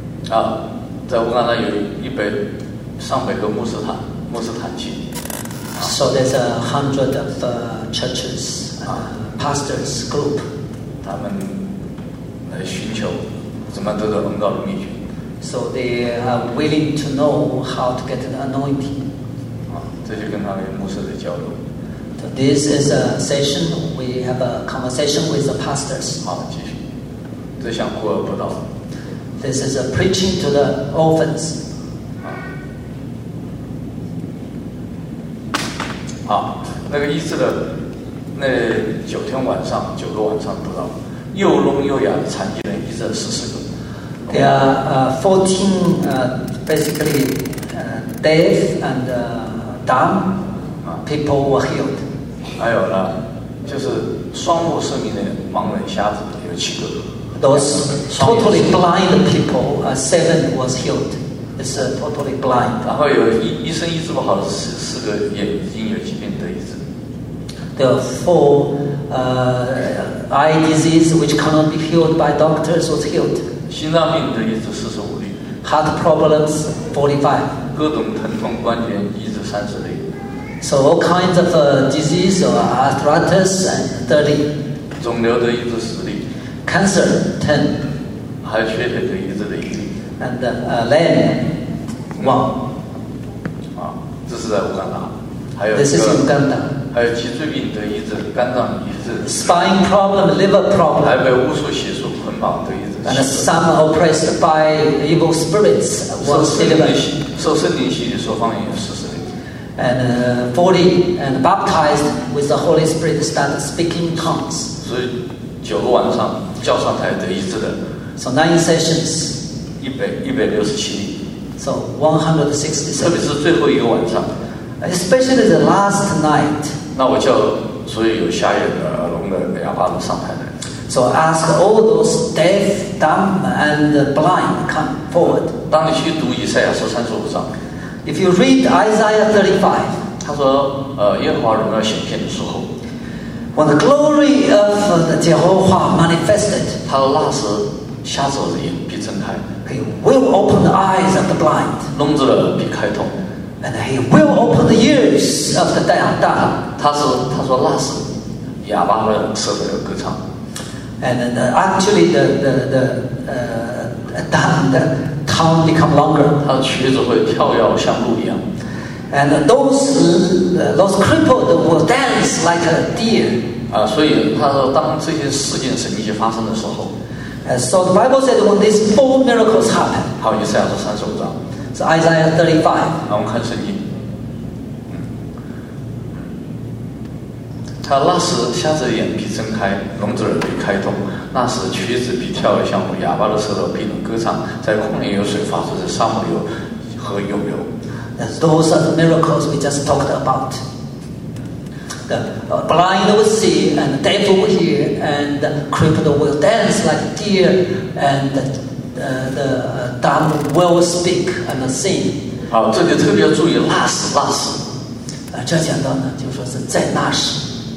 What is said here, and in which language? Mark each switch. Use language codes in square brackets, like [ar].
[zh] 啊，在乌干达有上百个牧师团体。 [en] So there's 100 of churches, pastors group. [zh] 他们来寻求怎么得到恩膏的秘诀。 [en] So they are willing to know how to get an anointing. [zh] 这就跟他们牧师的交流。 [en] So、this is a session. We have a conversation with the pastors. [zh] 好，继续。这项孤儿布道。 [en] This is a preaching to the orphans. [zh] 好，那个医治的那九天晚上，九个晚上不到，又聋又哑的残疾人医治了40个。 [en] There are fourteen basically deaf and dumb people were healed. [zh] 还有呢，就是双目失明的盲人、瞎子有7个。 [en] Those totally blind people, seven was healed. It's totally blind. [zh] 然后有医生医治不好的四个眼睛有疾病得医治。 [en] There are four eye disease which cannot be healed by doctors was healed. [zh] 心脏病得医治45例。 [en] Heart problems 45。 [zh] 各种疼痛关节医治30例。 [en] So all kinds of disease or arthritis 30。 [zh] 肿瘤得医治10例。 [en] Cancer 10。 [zh] 还缺血得医治的1例。 [en] And lame 1。 [zh] 这是在乌干达，还有这是乌干达，还有脊椎病得医治，肝脏医治 [en] ，spine problem, liver problem， [zh] 还被巫术邪术捆绑得医治 [en] ，and some oppressed by evil spirits was delivered， [zh] 受圣灵洗礼说方言40例 [en] ，and 40 and baptized with the Holy Spirit started speaking tongues， [zh] 所以9个晚上叫上台得医治的 [en] ，so 9 sessions， [zh] 167例。 [en] So 167。 [zh] 特别是最后一个晚上 [en] ，especially the last night。 [zh] 那我叫所有有瞎眼的、聋的、哑巴的上台的。 [en] So ask all those deaf, dumb, and blind come forward。 [zh] 当你去读以赛亚书35章 [en] ，If you read Isaiah 35， [zh] 他说，耶和华荣耀显现的时候 [en] ，When the glory of the Jehovah manifested， [zh] 他说那时瞎子的眼必睁开。 [en] He will open the eyes of the blind. [zh] 聋子的必开通。 [en] And he will open the ears of the deaf. [zh] 他说那是哑巴的舌头歌唱。 [en] And then actually the tongue become longer. [zh] 他的瘸子会跳跃像鹿一样。 [en] And those crippled will dance like a deer. [zh] 所以他说当这些事件神迹发生的时候。 [en] So the Bible said when these four miracles happen. [zh] 好，以赛亚书35章。 [en] So Isaiah 35。 [zh] 那我们看圣经。他那时瞎子眼必睁开，聋子耳必开通。那时瘸子必跳跃像鹿，哑巴的舌头必能歌唱。在旷野有水发出，在沙漠里有河涌流。 [en] And those are the miracles we just talked about. The blind will see and the deaf will hear and the crippled will dance like a deer and the dumb will speak and sing. [zh] 好，这里特别注意那时那时。这讲到呢，就说是在那时。